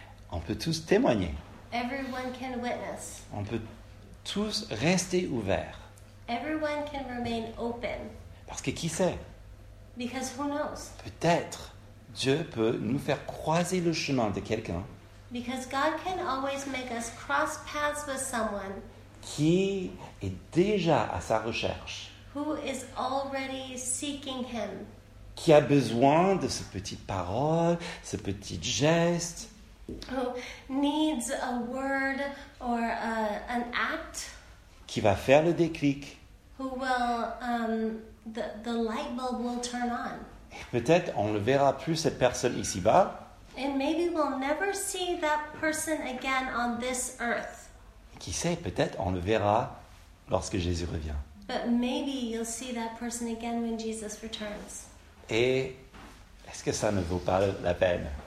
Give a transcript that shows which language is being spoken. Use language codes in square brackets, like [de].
[fr] On peut tous témoigner. [en] Everyone can witness. [fr] On peut tous rester ouverts. [en] Everyone can remain open. [fr] Parce que qui sait? [en] Because who knows? [fr] Peut-être Dieu peut nous faire croiser le chemin de quelqu'un. [en] Because God can always make us cross paths with someone. [fr] Qui est déjà à sa recherche. [en] Who is already seeking him. [fr] Qui a besoin de ce petit parole, ce petit geste. [en] Who needs a word or an act. [fr] Qui va faire le déclic. [en] Who will, the light bulb will turn on. [fr] Et peut-être on ne verra plus cette personne ici-bas. [en] And maybe we'll never see that person again on this earth. [fr] Qui sait, peut-être on le verra lorsque Jésus revient. [en] But maybe you'll see that person again when Jesus returns. [fr] Et est-ce que ça ne vaut pas la peine?